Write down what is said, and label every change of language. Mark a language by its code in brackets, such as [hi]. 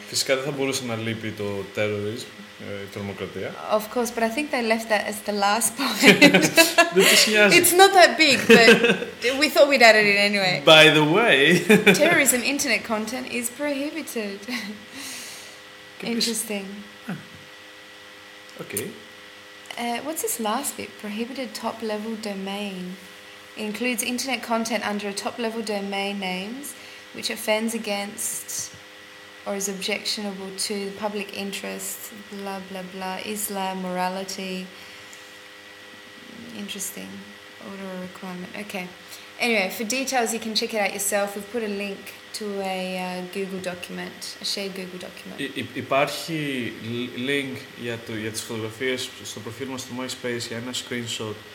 [el] Φυσικά δεν θα μπορούσε να λείπει το terrorism, η τρομοκρατία. [en] Of course, but I think they left that as the last point. [el] Δεν [en] It's not that big, but we thought we'd added it anyway. By the way... terrorism internet content is prohibited. Interesting. Okay. What's this last bit? Prohibited top-level domain. It includes internet content under a top-level domain names... which offends against or is objectionable to the public interest, blah, blah, blah, Islam, morality. Interesting. Order requirement. Okay. Anyway, for details, you can check it out yourself. We've put a link to a Google document, a shared Google document. [el] Υπάρχει link για τις φωτογραφίες στο προφίλ μας στο MySpace για ένα screenshot.